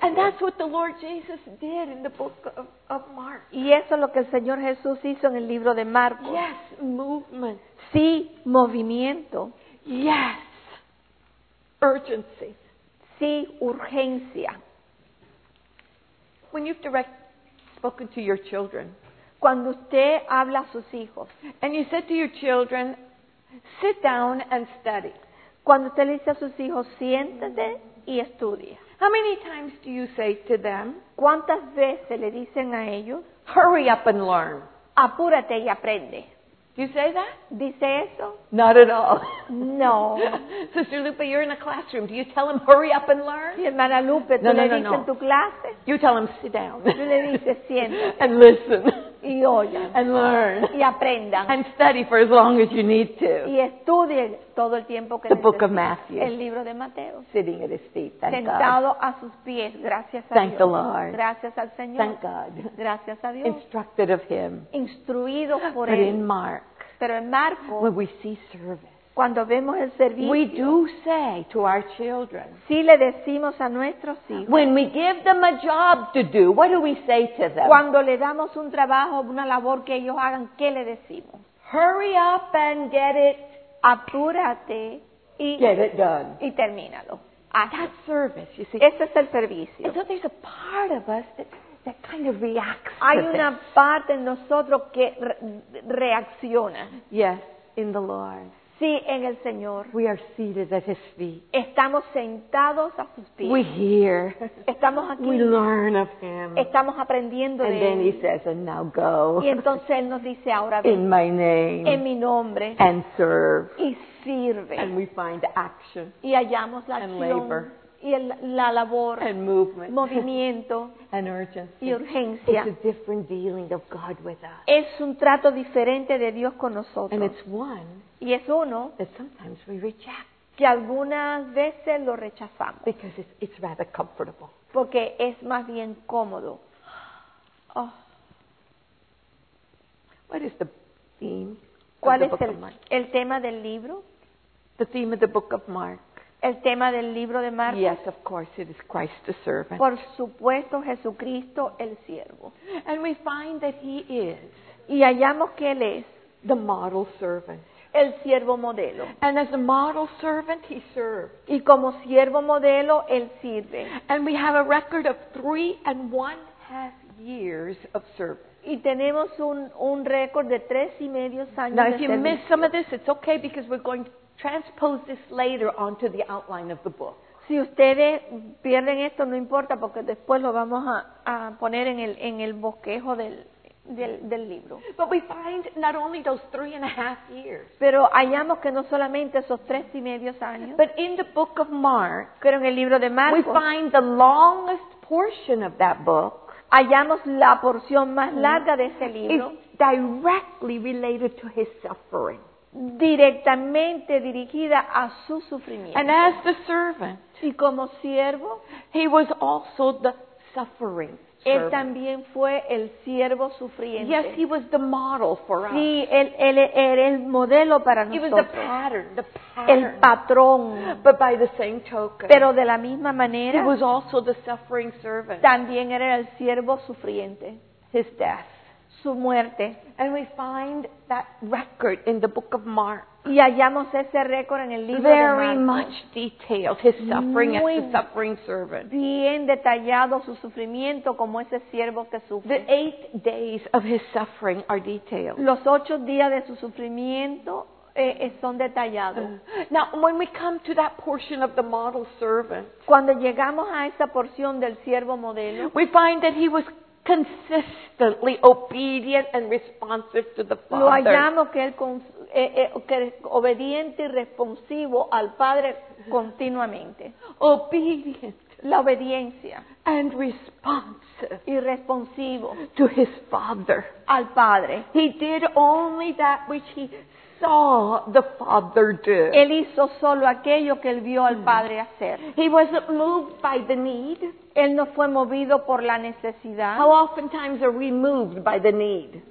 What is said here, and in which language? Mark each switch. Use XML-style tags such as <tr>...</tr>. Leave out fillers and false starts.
<en>And that's what the Lord Jesus did in the book of Mark.</en> <es>Y eso es lo que el Señor Jesús hizo en el libro de Marcos.</es> <en>Yes, movement.</en> <es>Sí, movimiento.</es> <en>Yes, urgency.</en> <es>Sí, urgencia.</es> <en>When you've spoken to your children,</en> <es>cuando usted habla a sus hijos,</es> <en>and you said to your children, sit down and study.</en> <es>Cuando usted le dice a sus hijos, siéntate y estudia.</es> <en>How many times do you say to them?</en> <es>¿Cuántas veces le dicen a ellos?</es> <en>Hurry up and learn.</en> <es>Apúrate y aprende.</es> <en>Do you say that?</en> <es>¿Dice eso?</es> <en>Not at all.</en> <es>No.</es> <en>Sister Lupe, you're in a classroom. Do you tell him, hurry up and learn?</en> <es>Sí, hermana Lupe, ¿tú le dices en tu clase?</es> <en>You tell him, sit down.</en> <es>Tú le dices, siéntate.</es> <en>And listen.</en> <es>Y oyan.</es> <en>And learn.</en> <es>Y aprendan.</es> <en>And study for as long as you need to.</en> <es>Y estudien todo el tiempo que</es> <en>The book of Matthew.</en> <es>El libro de Mateo.</es> <en>Sitting at his feet, thank</en> <es>Sentado</es> <en>God.</en> <es>Sentado a sus pies, gracias a</es> <en>thank</en> <es>Dios.</es> <en>Thank the Lord.</en> <es>Gracias al Señor.</es> <en>Thank God.</en> <es>Gracias a Dios.</es> <en>Instructed of him.</en> <es>Instruido por</es> <en>But</en> <es>él.</es> <en>But in Mark.</en> <es>Pero en Marco.</es> <en>When we see service.</en> <es>Cuando vemos el servicio,</es> <en>we do say to our children,</en> <es>si le decimos a nuestros hijos,</es> <en>when we give them a job to do, what do we say to them?</en> <es>Cuando le damos un trabajo, una labor que ellos hagan, ¿qué le decimos?</es> <en>Hurry up and get it.</en> <es>Apúrate y</es> <en>get it done.</en> <es>Y termínalo.</es> <en>That service, you see.</en> <es>Ese es el servicio.</es> <en>And so there's a part of us that kind of reacts to</en> <es>Hay una parte en nosotros que reacciona.</es> <en>Yes, in the Lord.</en> <es>Sí, en el Señor.</es> <en>We are seated at his feet.</en> <es>Estamos sentados a sus pies.</es> <en>We hear.</en> <es>Estamos aquí.</es> <en>We learn of him.</en> <es>Estamos aprendiendo</es> <en>and</en> <es>de</es> <en>then</en> <es>él.</es> <en>He says, and now go.</en> <es>Y entonces él nos dice, ahora ven.</es> <en>In my name.</en> <es>En mi nombre.</es> <en>And serve.</en> <es>Y sirve.</es> <en>And we find action.</en> <es>Y hallamos la acción.</es> <en>And labor.</en> <es>Y la labor.</es> <en>And movement.</en> <es>Movimiento.</es> <en>And urgency.</en> <es>Y urgencia.</es> <en>It's a different dealing of God with us.</en> <es>Es un trato diferente de Dios con nosotros.</es> <en>And it's one.</en> <es>Y es uno</es> <en>that sometimes we reject.</en> <es>Que algunas veces lo rechazamos.</es> <en>Because it's rather comfortable.</en> <es>Porque es más bien cómodo. Oh.</es> <en>What is the theme</en> <es>¿Cuál</es> <en>of the</en> <es>es</es> <en>book</en> <es>el,</es> <en>of Mark?</en> <es>El tema del libro?</es> <en>The theme of the book of Mark.</en> <es>El tema del libro de Marcos.</es> <en>Yes, of course, it is Christ the servant.</en> <es>Por supuesto, Jesucristo el siervo.</es> <en>And we find that he is.</en> <es>Y hallamos que él es.</es> <en>The model servant.</en> <es>El siervo modelo.</es> <en>And as a model servant, he served.</en> <es>Y como siervo modelo, él sirve.</es> <en>And we have a record of 3.5 years of service.</en> <es>Y tenemos un récord de 3.5 años de servicio.</es> <en>Now, if you miss some of this, it's okay because we're going to transpose this later onto the outline of the book.</en> <es>Si ustedes pierden esto, no importa porque después lo vamos a poner en el bosquejo del libro.</es> <en>But we find not only those 3.5 years.</en> <es>Pero hallamos que no solamente esos 3.5 años.</es> <en>But in the book of Mark,</en> <es>pero en el libro de Marcos,</es> <en>we find the longest portion of that book.</en> <es>Hallamos la porción más larga de ese libro.</es> <en>Is directly related to his suffering.</en> <es>Directamente dirigida a su sufrimiento.</es> <en>And as the servant,</en> <es>y como siervo,</es> <en>he was also the suffering.</en> <es>Él también fue el siervo sufriente.</es> <en>Yes, he was the model for us.</en> <es>Sí, él era el modelo para nosotros.</es> <en>He was the pattern.</en> <es>El patrón.</es> <en>But by the same token.</en> <es>Pero de la misma manera.</es> <en>He was also the suffering servant.</en> <es>También era el siervo sufriente.</es> <en>His death.</en> <es>Su muerte.</es> <en>And we find that record in the book of Mark.</en> <es>Y hallamos ese récord en el libro</es> <en>Very</en> <es>de Marcos.</es> <en>Very much detailed, his suffering</en> <es>Muy</es> <en>as the suffering servant.</en> <es>Bien detallado su sufrimiento como ese siervo que sufre.</es> <en>The 8 days of his suffering are detailed.</en> <es>Los 8 días de su sufrimiento son detallados.</es> <en>Now, when we come to that portion of the model servant,</en> <es>cuando llegamos a esa porción del siervo modelo,</es> <en>we find that he was consistently obedient and responsive to the Father.</en> <es>Lo hallamos que él que obediente y responsivo al Padre continuamente.</es> <en>Obedient.</en> <es>La obediencia.</es> <en>And responsive.</en> <es>Y responsivo.</es> <en>To his Father.</en> <es>Al Padre.</es> <en>He did only that which he saw the Father do.</en> <es>Él hizo solo aquello que él vio al Padre hacer.</es> <en>He wasn't moved by the need.</en> <es>Él no fue movido por la necesidad.</es> <en>How oftentimes are we moved by the need?</en>